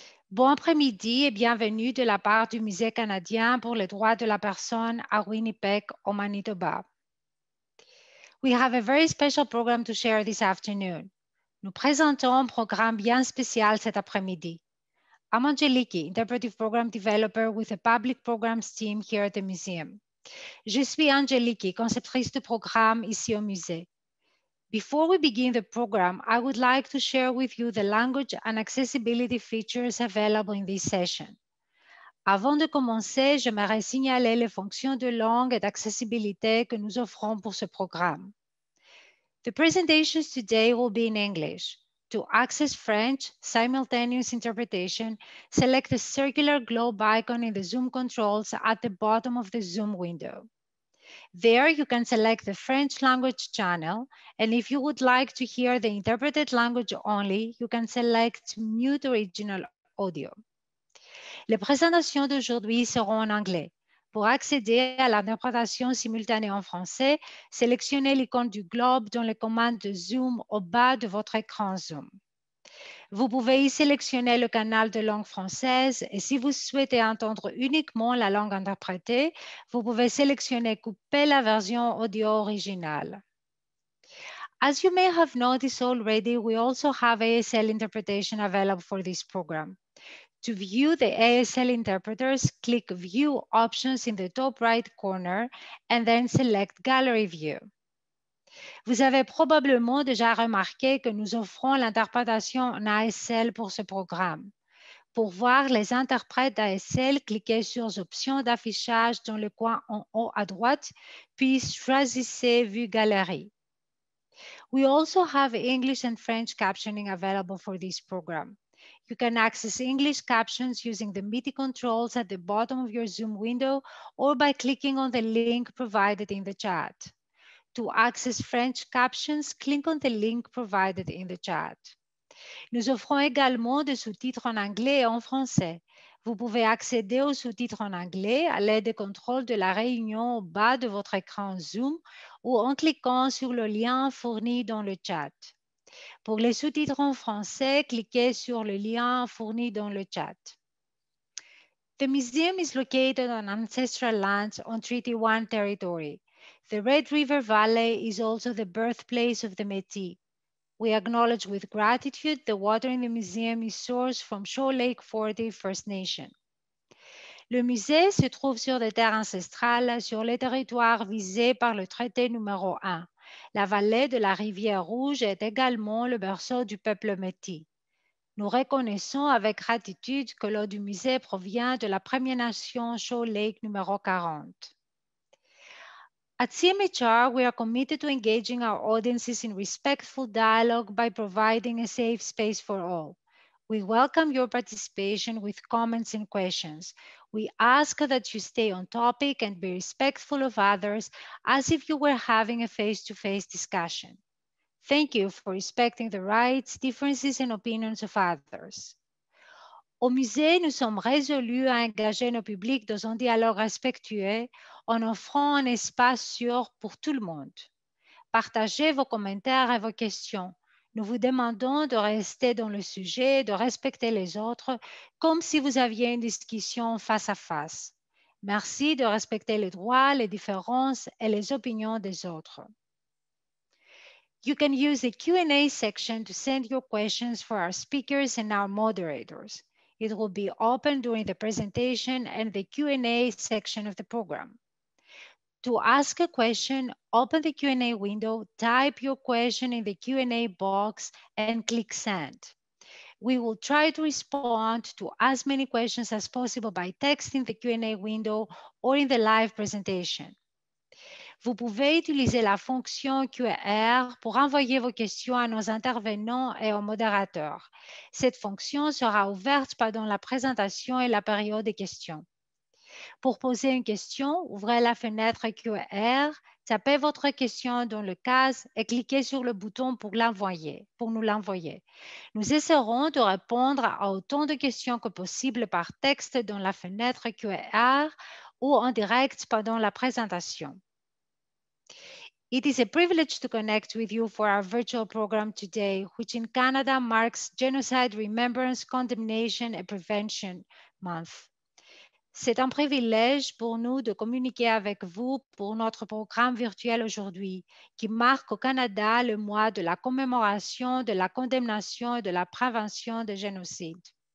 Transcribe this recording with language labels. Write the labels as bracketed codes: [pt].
[fr] Bon après-midi et bienvenue de la part du Musée canadien pour les droits de la personne à Winnipeg, au Manitoba. [en] We have a very special program to share this afternoon. [fr] Nous présentons un programme bien spécial cet après-midi. [en] I'm Angeliki, interpretive program developer with the public programs team here at the museum. [fr] Je suis Angeliki, conceptrice de programme ici au musée. [en] Before we begin the program, I would like to share with you the language and accessibility features available in this session. [fr] Avant de commencer, j'aimerais signaler les fonctions de langue et d'accessibilité que nous offrons pour ce programme. [en] The presentations today will be in English. To access French simultaneous interpretation, select the circular globe icon in the Zoom controls at the bottom of the Zoom window. There, you can select the French language channel, and if you would like to hear the interpreted language only, you can select Mute Original Audio. [fr] Les présentations d'aujourd'hui seront en anglais. Pour accéder à l'interprétation simultanée en français, sélectionnez l'icône du globe dans les commandes de Zoom au bas de votre écran Zoom. Vous pouvez y sélectionner le canal de langue française et si vous souhaitez entendre uniquement la langue interprétée, vous pouvez sélectionner couper la version audio originale. [en] As you may have noticed already, we also have ASL interpretation available for this program. To view the ASL interpreters, click View Options in the top right corner and then select Gallery View. [fr] Vous avez probablement déjà remarqué que nous offrons l'interprétation en ASL pour ce programme. Pour voir les interprètes d'ASL, cliquez sur Options d'affichage dans le coin en haut à droite, puis choisissez Vue Galerie. [en] We also have English and French captioning available for this program. You can access English captions using the MIDI controls at the bottom of your Zoom window or by clicking on the link provided in the chat. To access French captions, click on the link provided in the chat. [fr] Nous offrons également des sous-titres en anglais et en français. Vous pouvez accéder aux sous-titres en anglais à l'aide des contrôles de la réunion au bas de votre écran Zoom ou en cliquant sur le lien fourni dans le chat. Pour les sous-titres en français, cliquez sur le lien fourni dans le chat. [en] The museum is located on ancestral lands on Treaty 1 territory. The Red River Valley is also the birthplace of the Métis. We acknowledge with gratitude the water in the museum is sourced from Shaw Lake 40 First Nation. [fr] Le musée se trouve sur des terres ancestrales sur les territoires visés par le traité numéro 1. La vallée de la rivière Rouge est également le berceau du peuple Métis. Nous reconnaissons avec gratitude que l'eau du musée provient de la première nation Shaw Lake numéro 40. [en] At CMHR, we are committed to engaging our audiences in respectful dialogue by providing a safe space for all. We welcome your participation with comments and questions. We ask that you stay on topic and be respectful of others as if you were having a face-to-face discussion. Thank you for respecting the rights, differences and opinions of others. [fr] Au musée, nous sommes résolus à engager nos publics dans un dialogue respectueux en offrant un espace sûr pour tout le monde. Partagez vos commentaires et vos questions. Nous vous demandons de rester dans le sujet, de respecter les autres, comme si vous aviez une discussion face à face. Merci de respecter les droits, les différences et les opinions des autres. [en] You can use the Q&A section to send your questions for our speakers and our moderators. It will be open during the presentation and the Q&A section of the program. To ask a question, open the Q&A window, type your question in the Q&A box and click send. We will try to respond to as many questions as possible by texting the Q&A window or in the live presentation. [fr] Vous pouvez utiliser la fonction QR pour envoyer vos questions à nos intervenants et aux modérateurs. Cette fonction sera ouverte pendant la présentation et la période des questions. Pour poser une question, ouvrez la fenêtre QR, tapez votre question dans le case et cliquez sur le bouton pour nous l'envoyer. Nous essaierons de répondre à autant de questions que possible par texte dans la fenêtre QR ou en direct pendant la présentation. [en] It is a privilege to connect with you for our virtual program today, which in Canada marks Genocide Remembrance, Condemnation and Prevention Month. [fr] C'est un privilège pour nous de communiquer avec vous pour notre programme virtuel aujourd'hui, qui marque au Canada le mois de la commémoration de la condamnation et de la prévention des génocides.